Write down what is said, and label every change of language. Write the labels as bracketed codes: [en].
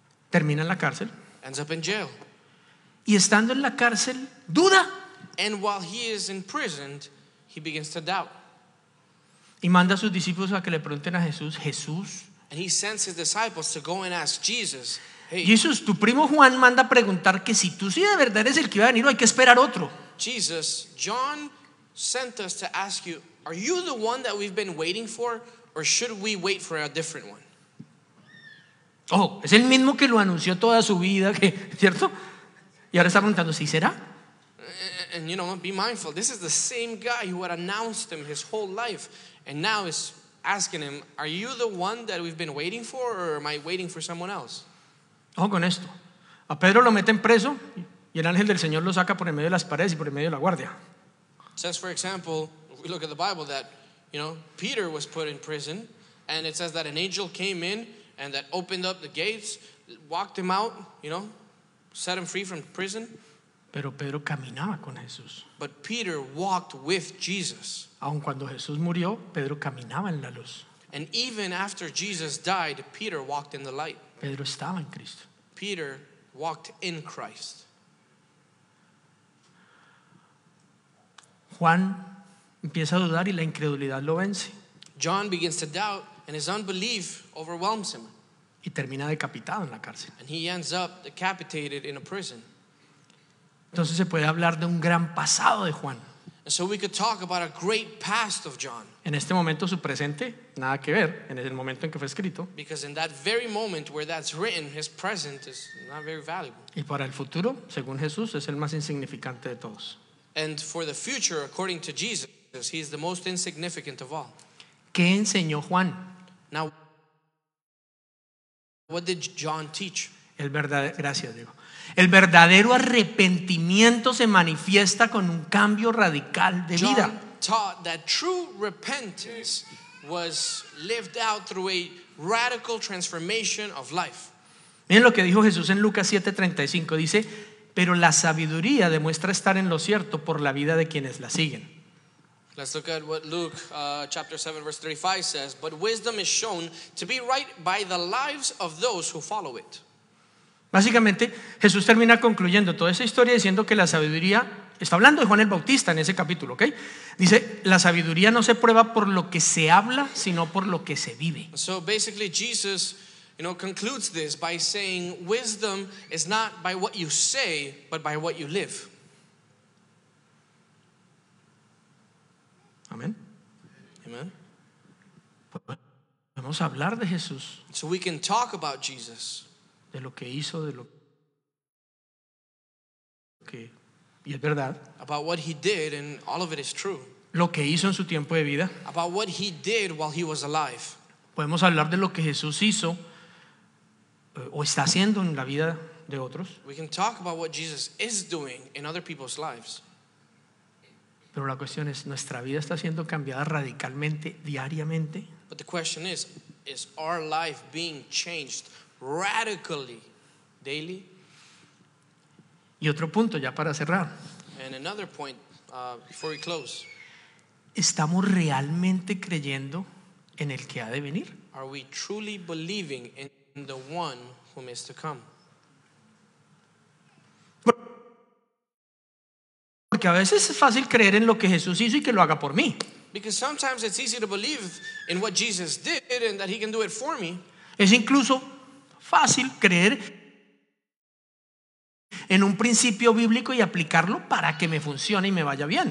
[es] Termina en la cárcel. [en] Ends up in jail. [es] Y estando en la cárcel, duda. [en] And while he is imprisoned, he begins to doubt. [es] Y manda a sus discípulos a que le pregunten a Jesús, Jesús. [en] And he sends his disciples to go and ask Jesus, hey. [es] Jesús, tu primo Juan manda a preguntar que si tú sí de verdad eres el que iba a venir o hay que esperar otro. [en] Jesus, John sent us to ask you, are you the one that we've been waiting for or should we wait for a different one? [es] Oh, es el mismo que lo anunció toda su vida, que, ¿cierto? Y ahora está preguntando, ¿sí será? [en] And you know, be mindful. This is the same guy who had announced him his whole life. And now is asking him, are you the one that we've been waiting for or am I waiting for someone else? [es] Ojo con esto. A Pedro lo meten preso y el ángel del Señor lo saca por en medio de las paredes y por en medio de la guardia. [en] It says, for example, we look at the Bible that, you know, Peter was put in prison and it says that an angel came in and that opened up the gates, walked him out, you know, set him free from prison. [es] Pero Pedro caminaba con Jesús. [en] But Peter walked with Jesus. [es] Aun cuando Jesús murió, Pedro caminaba en la luz. [en] And even after Jesus died, Peter walked in the light. [es] Pedro estaba en Cristo. [en] Peter walked in Christ. [es] Juan empieza a dudar y la incredulidad lo vence. [en] John begins to doubt and his unbelief overwhelms him. [es] Y termina decapitado en la cárcel. [en] And he ends up decapitated in a prison. [es] Entonces se puede hablar de un gran pasado de Juan. [en] So we could talk about a great past of John. [es] En este momento su presente nada que ver en el momento en que fue escrito. [en] Because in that very moment where that's written, his present is not very valuable. [es] Y para el futuro, según Jesús, es el más insignificante de todos. [en] And for the future, according to Jesus, he is the most insignificant of all. [es] ¿Qué enseñó Juan? [en] Now, what did John teach? [es] El verdadero, gracias, Diego. El verdadero arrepentimiento se manifiesta con un cambio radical de [en] John [es] vida. [en] John taught that true repentance was lived out through a radical transformation of life. [es] Miren lo que dijo Jesús en Lucas 7:35. Dice, pero la sabiduría demuestra estar en lo cierto por la vida de quienes la siguen. [en] Let's look at what Luke chapter 7 verse 35 says. But wisdom is shown to be right by the lives of those who follow it. [es] Básicamente, Jesús termina concluyendo toda esa historia diciendo que la sabiduría, está hablando de Juan el Bautista en ese capítulo, ¿ok? Dice, la sabiduría no se prueba por lo que se habla, sino por lo que se vive. [en] So basically Jesus, you know, concludes this by saying wisdom is not by what you say, but by what you live. [es] Amén. [en] Amen. [es] Podemos hablar de Jesús. [en] So we can talk about Jesus. [es] De lo que hizo, de lo que, y es verdad. [en] About what he did, and all of it is true. [es] Lo que hizo en su tiempo de vida. [en] About what he did while he was alive. [es] Podemos hablar de lo que Jesús hizo o está haciendo en la vida de otros. [en] We can talk about what Jesus is doing in other people's lives. [es] Pero la cuestión es, ¿nuestra vida está siendo cambiada radicalmente, diariamente? [en] But the question is our life being changed radically daily? [es] Y otro punto ya para cerrar. [en] And another point before we close. [es] ¿Estamos realmente creyendo en el que ha de venir? [en] Are we truly believing in the one who is to come? [es] Porque a veces es fácil creer en lo que Jesús hizo y que lo haga por mí. [en] Because sometimes it's easy to believe in what Jesus did and that he can do it for me. [es] Es incluso fácil creer en un principio bíblico y aplicarlo para que me funcione y me vaya bien.